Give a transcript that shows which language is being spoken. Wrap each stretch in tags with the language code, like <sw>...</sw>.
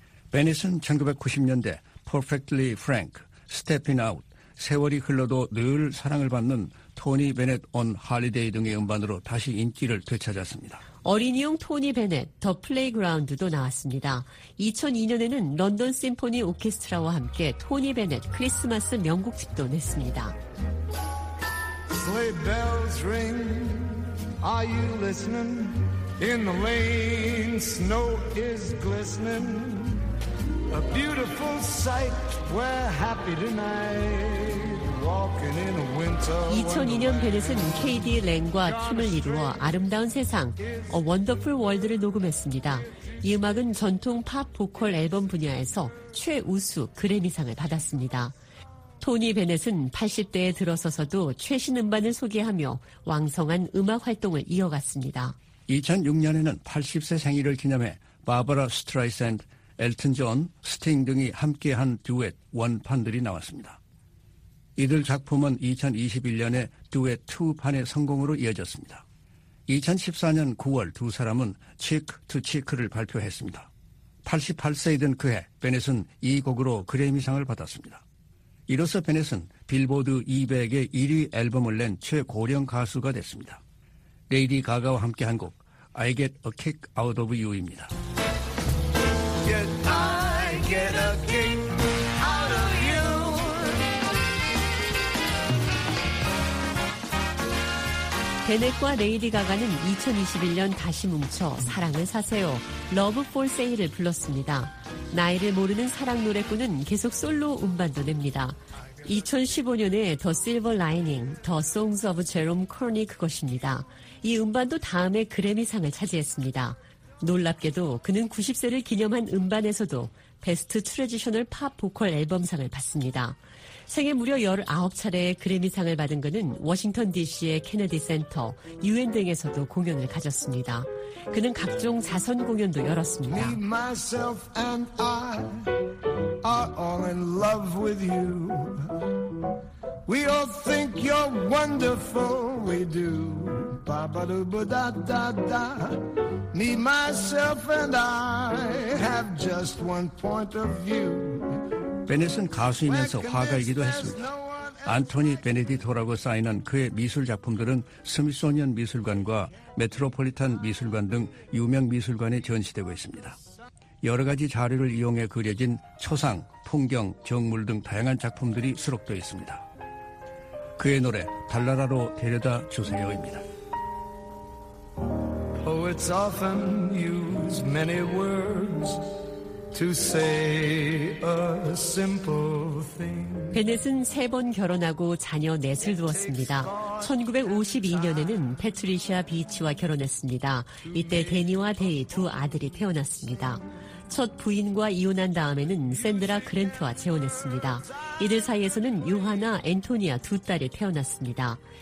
<ko>베넷은 1990년대 Perfectly Frank, Stepping Out, 세월이 흘러도 늘 사랑을 받는 토니 베넷 온 할리데이 등의 음반으로 다시 인기를 되찾았습니다. 어린이용 토니 베넷, 더 플레이그라운드도 나왔습니다. 2002년에는 런던 심포니 오케스트라와 함께 토니 베넷 크리스마스 명곡집도 냈습니다.</ko> <en>Sleigh bells ring, are you listening? In the lane, snow is glistening. A beautiful sight, we're happy tonight.</en> <ko>2002년 베넷은 KD 랭과 팀을 이루어 아름다운 세상, A Wonderful World를 녹음했습니다. 이 음악은 전통 팝 보컬 앨범 분야에서 최우수 그래미상을 받았습니다. 토니 베넷은 80대에 들어서서도 최신 음반을 소개하며 왕성한 음악 활동을 이어갔습니다. 2006년에는 80세 생일을 기념해 바바라 스트라이샌드, 엘튼 존, 스팅 등이 함께한 듀엣 원판들이 나왔습니다. 이들 작품은 2021년에 듀엣 2판의 성공으로 이어졌습니다. 2014년 9월 두 사람은 Cheek to Cheek를 발표했습니다. 88세이 된 그해 베넷은 이 곡으로 그래미상을 받았습니다. 이로써 베넷은 빌보드 200의 1위 앨범을 낸 최고령 가수가 됐습니다. 레이디 가가와 함께한 곡 I Get a Kick Out of You입니다.</ko> <en>I get a kick.</en> <ko>베넷과 레이디 가가는 2021년 다시 뭉쳐 사랑을 사세요, Love for Sale을 불렀습니다. 나이를 모르는 사랑 노래꾼은 계속 솔로 음반도 냅니다. 2015년에 The Silver Lining, The Songs of Jerome Kearney 그것입니다. 이 음반도 다음에 그래미상을 차지했습니다. 놀랍게도 그는 90세를 기념한 음반에서도 베스트 트랜지셔널 팝 보컬 앨범상을 받습니다. 생애 무려 19차례의 그래미상을 받은 그는 워싱턴 DC의 케네디 센터, UN 등에서도 공연을 가졌습니다. 그는 각종 자선 공연도 열었습니다.</ko> <en>Me, myself and I are all in love with you. We all think you're wonderful, we do. Ba-ba-do-ba-da-da-da. Me, myself and I have just one point of view.</en> <ko>베넷은 가수이면서 화가이기도 했습니다. 안토니 베네디토라고 사인한 그의 미술 작품들은 스미소니언 미술관과 메트로폴리탄 미술관 등 유명 미술관에 전시되고 있습니다. 여러 가지 자료를 이용해 그려진 초상, 풍경, 정물 등 다양한 작품들이 수록되어 있습니다. 그의 노래 달나라로 데려다 주세요입니다.</ko> <en>Poets often use many words to say a simple thing.</en> <ko>베넷은 세 번 결혼하고 자녀 넷을 두었습니다. 1952년에는 패트리시아 비치와 결혼했습니다. 이때 데니와 데이 두 아들이 태어났습니다. 첫 부인과 이혼한 다음에는 샌드라 그랜트와 재혼했습니다. 이들 사이에서는 요하나, 앤토니아 두 딸이 태어났습니다.</ko>